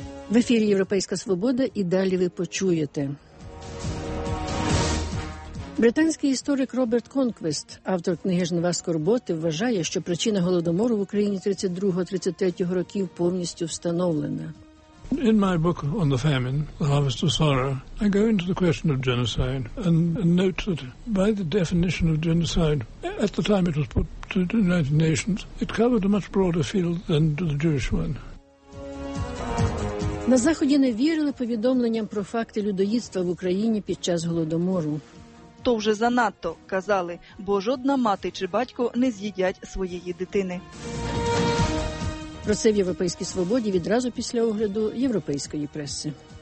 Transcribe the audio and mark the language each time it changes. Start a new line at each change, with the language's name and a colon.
Ukrainian: В ефірі «Європейська свобода» і далі ви почуєте. Британський історик Роберт Конквест, автор книги «Жнива скорботи», вважає, що причина Голодомору в Україні 32-33 років повністю встановлена.
English: In my book on the famine, The Harvest of Sorrow, I go into the question of genocide and note that by the definition of genocide, at the time it was put to the United Nations, it covered a much broader field than the Jewish one.
Ukrainian: На Заході не вірили повідомленням про факти людоїдства в Україні під час Голодомору. То вже занадто, казали, бо жодна мати чи батько не з'їдять своєї дитини. Про це в «Європейській свободі» відразу після огляду європейської преси.